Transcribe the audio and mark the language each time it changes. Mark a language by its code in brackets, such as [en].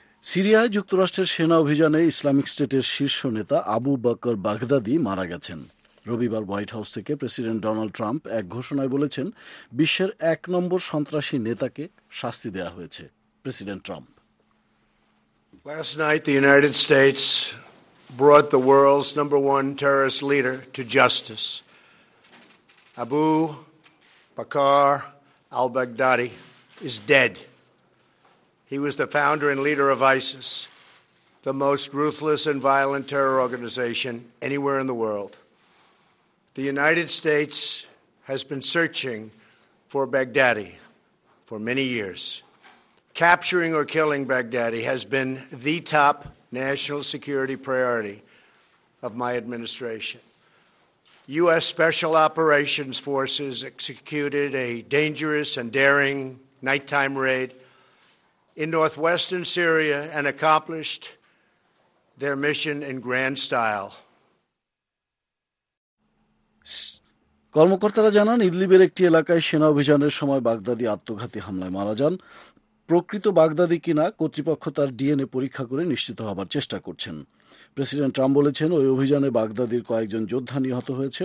[bn] সিরিয়ায় যুক্তরাষ্ট্রের সেনা অভিযানে ইসলামিক স্টেটের শীর্ষ নেতা আবু বকর বাগদাদি মারা গেছেন। রবিবার হোয়াইট হাউস থেকে প্রেসিডেন্ট ডোনাল্ড ট্রাম্প এক ঘোষণায় বলেছেন, বিশ্বের 1 সন্ত্রাসী নেতাকে শাস্তি দেওয়া হয়েছে। President Trump: [en] Last night the United States brought the world's number one terrorist leader to justice. Abu Bakr al-Baghdadi is dead. He was the founder and leader of ISIS, the most ruthless and violent terror organization anywhere in the world. The United States has been searching for Baghdadi for many years. Capturing or killing Baghdadi has been the top national security priority of my administration. U.S. Special Operations Forces executed a dangerous and daring nighttime raid in northwestern Syria and accomplished their mission in grand style. [bn] কর্মকর্তারা জানান, ইদলিবের একটি এলাকায় সেনা অভিযানের সময় বাগদাদি আত্মঘাতী হামলায় মারা যান। প্রকৃত বাগদাদি কিনা কর্তৃপক্ষ তার ডিএনএ পরীক্ষা করে নিশ্চিত হবার চেষ্টা করছেন। প্রেসিডেন্ট ট্রাম্প বলেছেন, ওই অভিযানে বাগদাদির কয়েকজন যোদ্ধা নিহত হয়েছে।